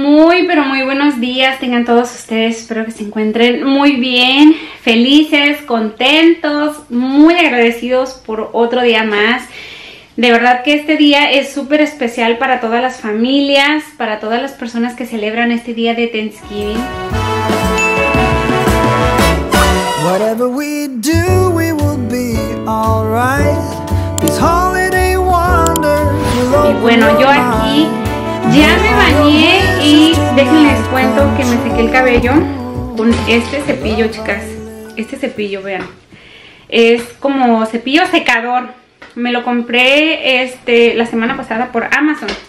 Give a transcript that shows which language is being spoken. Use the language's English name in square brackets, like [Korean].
[Spanish] Muy, pero muy buenos días tengan todos ustedes. Espero que se encuentren muy bien, felices, contentos, muy agradecidos por otro día más. De verdad que este día es súper especial para todas las familias, para todas las personas que celebran este día de Thanksgiving. [English] Whatever we do, we will be all right. This holiday wonder. [Spanish] Y bueno, yo aquí ya me bañé y déjenles cuento que me sequé el cabello con este cepillo, chicas. Este cepillo, vean. Es como cepillo secador. Me lo compré la semana pasada por Amazon.